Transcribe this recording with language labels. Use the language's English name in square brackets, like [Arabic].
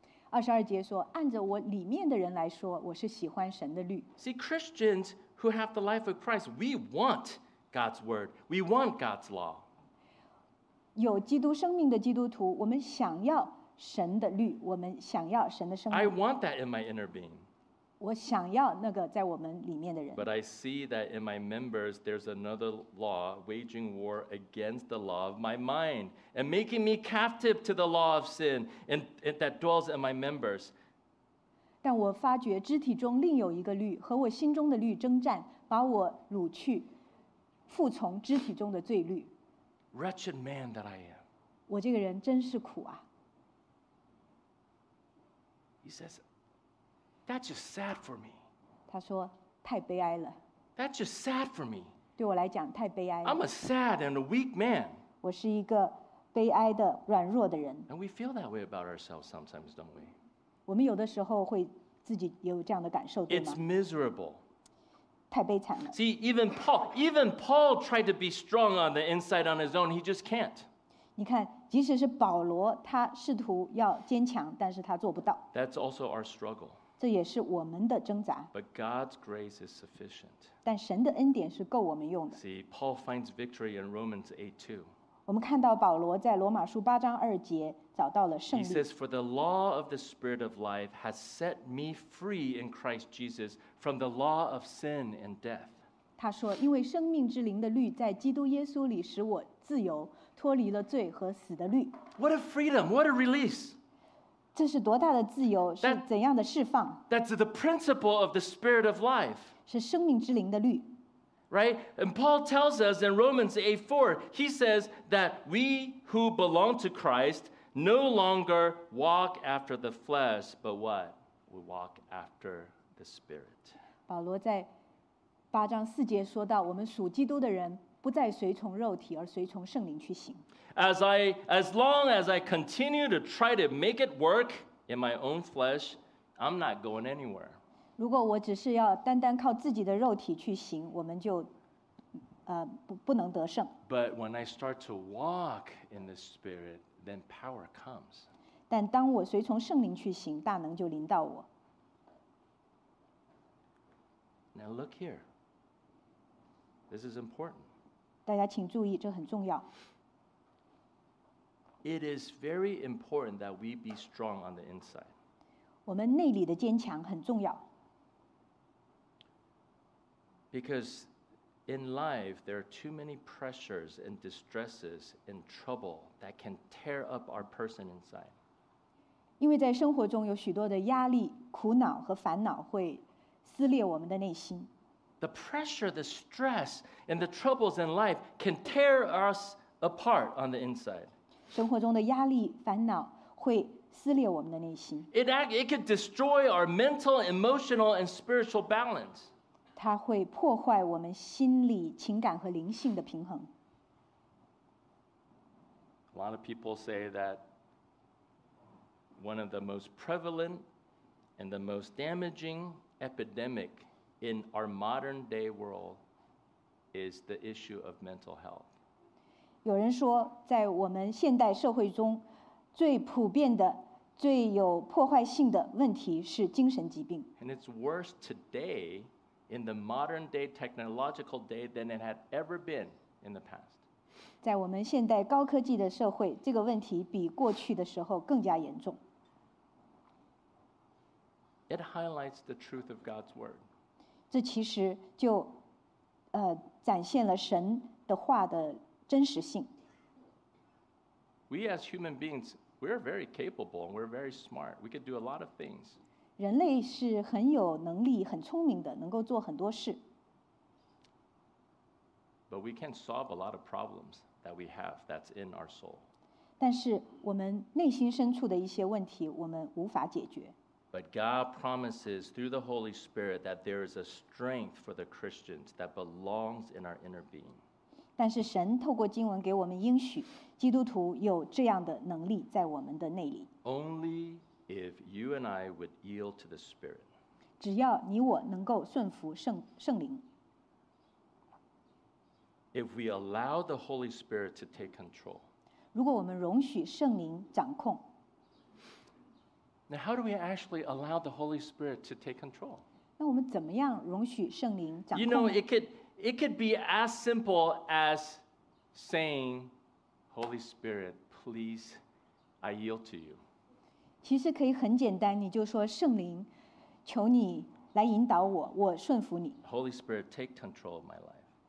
[Chinese] 22节说，按着我里面的人来说，我是喜欢神的律。 [English] See, Christians who have the life of Christ, we want God's word. We want God's law. [Chinese] 有基督生命的基督徒，我们想要神的律，我们想要神的生命。 [English] I want that in my inner being. [Chinese] 我想要那个在我们里面的人。 [English] But I see that in my members, there's another law waging war against the law of my mind and making me captive to the law of sin and that dwells in my members. [Chinese] 但我发觉肢体中另有一个律和我心中的律征战，把我掳去。服从肢体中的罪律。 [English] Wretched man that I am. [Chinese] 我这个人真是苦啊。 [English] He says, that's just sad for me. [Chinese] 他说，太悲哀了。 [English] That's just sad for me. [Chinese] 对我来讲，太悲哀了。 [English] I'm a sad and a weak man. [Chinese] 我是一个悲哀的、软弱的人。 [English] And we feel that way about ourselves sometimes, don't we? [Chinese] 我们有的时候会自己有这样的感受，对吗？ [English] It's miserable. [Chinese] 太悲惨了。 [English] See, even Paul tried to be strong on the inside on his own. He just can't. [Chinese] 你看，即使是保罗，他试图要坚强，但是他做不到。 [English] That's also our struggle. [Chinese] 这也是我们的挣扎。 [English] But God's grace is sufficient. [Chinese] 但神的恩典是够我们用的。 [English] See, Paul finds victory in Romans 8:2. [Chinese] 我们看到保罗在罗马书八章二节找到了胜利。 [English] He says, "For the law of the Spirit of life has set me free in Christ Jesus." From the law of sin and death. [Chinese] 他说，因为生命之灵的律在基督耶稣里使我自由，脱离了罪和死的律。 [English] What a freedom! What a release! [Chinese] 这是多大的自由，是怎样的释放？ [English] That's the principle of the Spirit of life. [Chinese] 是生命之灵的律。 [English] Right? And Paul tells us in Romans 8:4, he says that we who belong to Christ no longer walk after the flesh, but what? We walk after the Spirit. [Chinese] 保罗在八章四节说到，我们属基督的人不再随从肉体，而随从圣灵去行。 [English] As long as I continue to try to make it work in my own flesh, I'm not going anywhere. [Chinese] 如果我只是要单单靠自己的肉体去行，我们就不能得胜。 [English] But when I start to walk in the Spirit, then power comes. [Chinese] 但当我随从圣灵去行，大能就临到我。 [English] Now look here. This is important. [Chinese] 大家请注意，这很重要。 [English] It is very important that we be strong on the inside. [Chinese] 我们内里的坚强很重要。 [English] Because in life there are too many pressures and distresses and trouble that can tear up our person inside. [Chinese] 因为在生活中有许多的压力、苦恼和烦恼会撕裂我们的内心。 [English] The pressure, the stress, and the troubles in life can tear us apart on the inside. [Chinese] 生活中的压力、烦恼会撕裂我们的内心。 [English] It can destroy our mental, emotional, and spiritual balance. [Chinese] 它会破坏我们心理、情感和灵性的平衡。 [English] A lot of people say that one of the most prevalent and the most damaging epidemic in our modern day world is the issue of mental health. [Chinese] 有人说，在我们现代社会中，最普遍的、最有破坏性的问题是精神疾病。 [English] And it's worse today in the modern day technological day than it had ever been in the past. [Chinese] 在我们现代高科技的社会，这个问题比过去的时候更加严重。 [English] It highlights the truth of God's word. [Chinese] 这其实就展现了神的话的真实性。 [English] We as human beings, we're very capable and we're very smart. We could do a lot of things. [Chinese] 人类是很有能力、很聪明的，能够做很多事。 [English] But we can't solve a lot of problems that we have that's in our soul. [Chinese] 但是我们内心深处的一些问题，我们无法解决。 [English] But God promises through the Holy Spirit that there is a strength for the Christians that belongs in our inner being. [Chinese] 但是神透过经文给我们应许，基督徒有这样的能力在我们的内里。 [English] Only if you and I would yield to the Spirit. [Chinese] 只要你我能够顺服圣灵。 [English] If we allow the Holy Spirit to take control. [Chinese] 如果我们容许圣灵掌控。 [English] Now, how do we actually allow the Holy Spirit to take control? [Chinese] 那我们怎么样容许圣灵掌控呢? [English] You know, it could be as simple as saying, Holy Spirit, please, I yield to you. [Chinese] 其实可以很简单，你就说圣灵，求你来引导我，我顺服你。 [English] Holy Spirit, take control of my life.